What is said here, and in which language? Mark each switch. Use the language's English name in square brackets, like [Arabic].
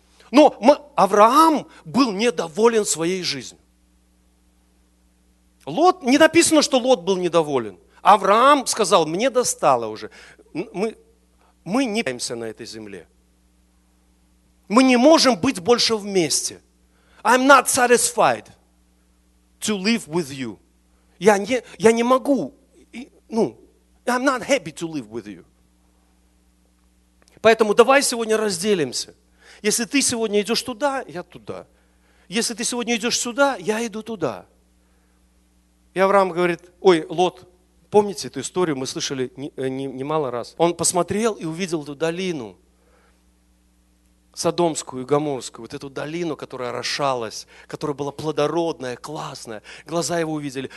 [Russian] Но Авраам был недоволен своей жизнью. Лот, не написано, что Лот был недоволен. Авраам сказал: мне достало уже. Мы не пытаемся на этой земле. Мы не можем быть больше вместе. [English] I'm not satisfied to live with you. [Russian] Я не могу. [English] I'm not happy to live with you. [Russian] Поэтому давай сегодня разделимся. Если ты сегодня идешь туда, я туда. Если ты сегодня идешь сюда, я иду туда. И Авраам говорит, ой, Лот, помните эту историю, мы слышали немало раз. Он посмотрел и увидел эту долину, Содомскую и Гоморскую, вот эту долину, которая орошалась, которая была плодородная, классная. Глаза его увидели.